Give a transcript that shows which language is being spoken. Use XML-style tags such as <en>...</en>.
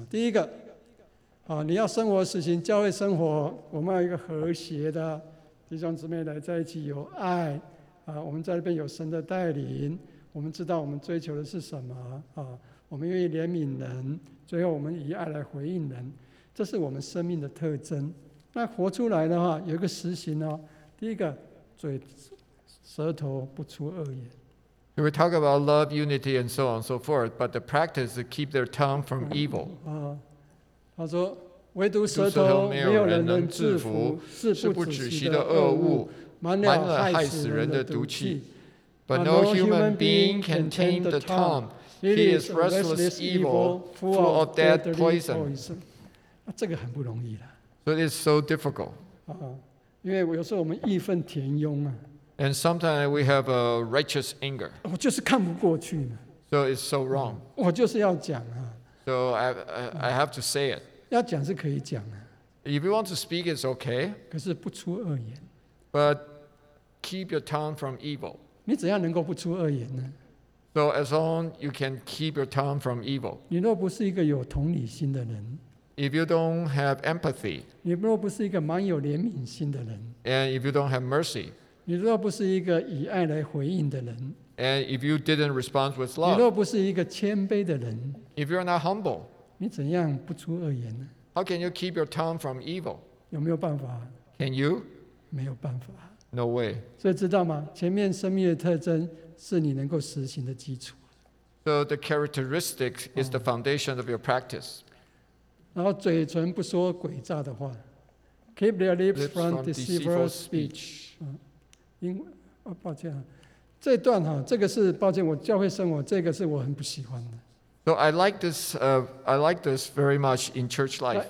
<zh>第一个，啊，你要生活实行教会生活，我们要一个和谐的弟兄姊妹来在一起有爱，啊，我们在这边有神的带领，我们知道我们追求的是什么，啊，我们愿意怜悯人，最后我们以爱来回应人，这是我们生命的特征。那活出来的话有一个实行哦。第一个嘴舌头不出恶言。</zh> <en>We talk about love, unity, and so on and so forth, but the practice is to keep their tongue from evil.</en> <zh>他说唯独舌头没有人能制服是不止息的恶物满了害死人的毒气。</zh> <en>But no human being can tame the tongue. He is restless evil, full of dead poison.</en> <zh>这个很不容易啦。</zh> <en>So it is so difficult.</en> <zh>因为有时候我们义愤填膺啊。</zh> <en>And sometimes we have a righteous anger.</en> <zh>我就是看不过去呢。</zh> <en>So it's so wrong.</en> <zh>我就是要讲啊。</zh> <en>So I have to say it.</en> <zh>要讲是可以讲啊。</zh> <en>If you want to speak, it's okay.</en> <zh>可是不出恶言。</zh> <en>But keep your tongue from evil.</en> <zh>你只要能够不出恶言呢。</zh> <en>So as long you can keep your tongue from evil.</en> <zh>你若不是一个有同理心的人。</zh> <en>If you don't have empathy,</en> <zh>你若不是一个蛮有怜悯心的人</zh> <en>and if you don't have mercy,</en> <zh>你若不是一个以爱来回应的人</zh> <en>and if you didn't respond with love,</en> <zh>你若不是一个谦卑的人</zh> <en>if you're not humble,</en> <zh>你怎样不出恶言呢</zh> <en>how can you keep your tongue from evil?</en> <zh>有没有办法</zh> <en>can you?</en> <zh>没有办法</zh> <en>no way.</en> <zh>所以知道吗？前面生命的特征是你能够实行的基础。</zh> <en>So the characteristic is the foundation of your practice.</en> <zh>然后嘴唇不说诡诈的话 ，</zh> <en>keep their lips from deceitful speech。</en> <zh>因为，抱歉，这段哈，这个是抱歉，我教会生活这个是我很不喜欢的。</zh> <en>So I like this. I like this very much in church life.</en>